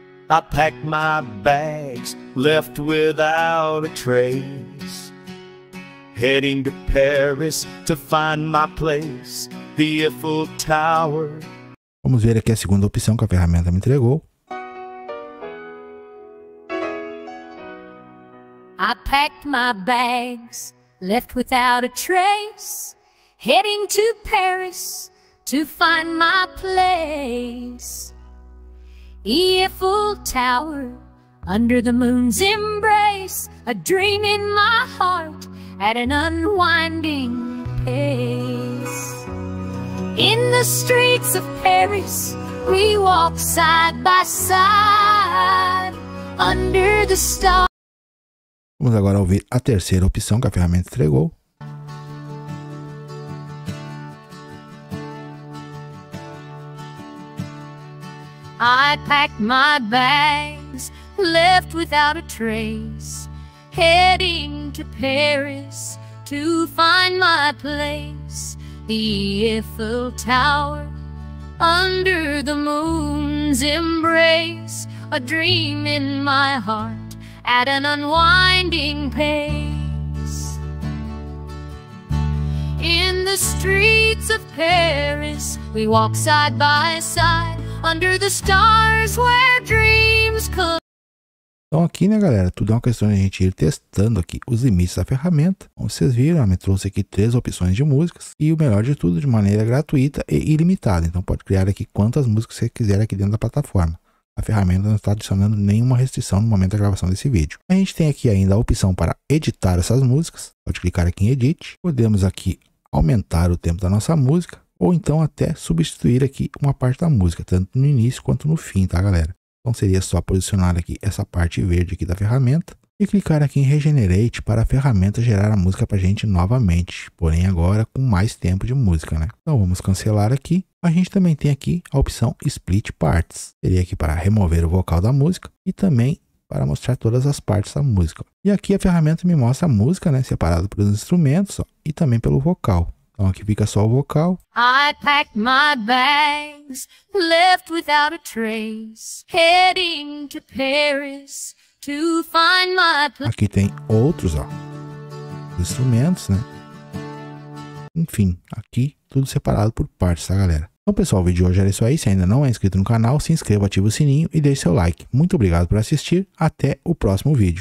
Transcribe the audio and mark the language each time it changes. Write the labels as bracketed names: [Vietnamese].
[English] I packed my bags, left without a trace. Heading to Paris to find my place, the Eiffel Tower. [Portuguese] Vamos ver aqui a segunda opção que a ferramenta me entregou. [English] I packed my bags, left without a trace. Heading to Paris to find my place. Eiffel Tower, under the moon's embrace, a dream in my heart at an unwinding pace. In the streets of Paris, we walk side by side, under the stars. [Portuguese] Vamos agora ouvir a terceira opção que a ferramenta entregou. [English] I packed my bags, left without a trace, heading to Paris to find my place, the Eiffel Tower, under the moon's embrace, a dream in my heart at an unwinding pace. In the streets of Paris, we walk side by side, under the stars where dreams come. [Portuguese] Então aqui, né, galera, tudo é uma questão de a gente ir testando aqui os limites da ferramenta. Como vocês viram, ela me trouxe aqui 3 opções de músicas e o melhor de tudo, de maneira gratuita e ilimitada. Então pode criar aqui quantas músicas você quiser aqui dentro da plataforma. A ferramenta não está adicionando nenhuma restrição no momento da gravação desse vídeo. A gente tem aqui ainda a opção para editar essas músicas. Pode clicar aqui em Edit. Podemos aqui aumentar o tempo da nossa música. Ou então até substituir aqui uma parte da música, tanto no início quanto no fim, tá, galera? Então seria só posicionar aqui essa parte verde aqui da ferramenta e clicar aqui em Regenerate para a ferramenta gerar a música para a gente novamente, porém agora com mais tempo de música, né? Então vamos cancelar aqui. A gente também tem aqui a opção Split Parts. Seria aqui para remover o vocal da música e também para mostrar todas as partes da música. E aqui a ferramenta me mostra a música, né, separada pelos instrumentos, ó, e também pelo vocal. Então aqui fica só o vocal. [English] I packed my bags, left without a trace, heading to Paris to find my place. [Portuguese] Aqui tem outros, ó, instrumentos, né? Enfim, aqui tudo separado por partes, tá, galera? Então, pessoal, o vídeo de hoje era isso aí. Se ainda não é inscrito no canal, se inscreva, ative o sininho e deixe seu like. Muito obrigado por assistir. Até o próximo vídeo.